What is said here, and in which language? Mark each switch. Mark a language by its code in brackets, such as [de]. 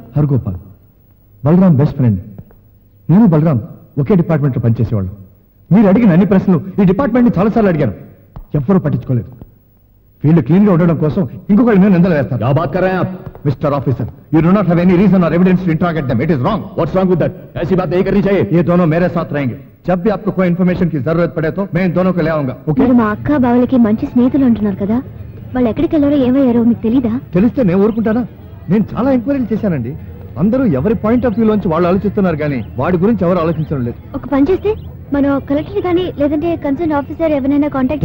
[te] Hargopal Balram best friend నేను బలరామ్ ఒకే department లో పనిచేసేవాళ్ళు మీరు అడిగిన అన్ని ప్రశ్నలు ఈ డిపార్ట్మెంట్ ని చాలాసార్లు అడిగాను ఎవ్వరూ పట్టించుకోలేదు ఫీల్డ్ క్లీన్ గా ఉండడం కోసం ఇంకొకళ్ళు నేను నిందలు వేస్తాను [hi] యా బాత్ కర్ రహే ఆప్ [en] mister officer you do not have any reason or evidence to interrogate them it is wrong what's wrong with that [hi] IC bath ఏ కర్నీ చాహియే ये दोनों मेरे साथ रहेंगे जब भी आपको कोई इंफॉर्मेशन की जरूरत पड़े तो मैं इन दोनों को ले आऊंगा ओके [te] మా అక్క బావలకి మంచి స్నేహితులు ఉంటున్నారు కదా వాళ్ళు ఎక్కడికి వెళ్ళారో ఏమయ్యారో మీకు తెలియదా తెలిస్తే నేను ఊరుకుంటానా నేను చాలా ఎంక్వైరీలు చేశానండి అందరూ ఎవరి పాయింట్ ఆఫ్ వ్యూ లోంచి వాళ్ళు ఆలోచిస్తున్నారు కానీ వాడి గురించి ఎవరు ఆలోచించడం లేదు ఒక పని చేస్తే మన కలెక్టర్ గాని లేదంటే కన్సర్న్ ఆఫీసర్ ఎవరైనా కాంటాక్ట్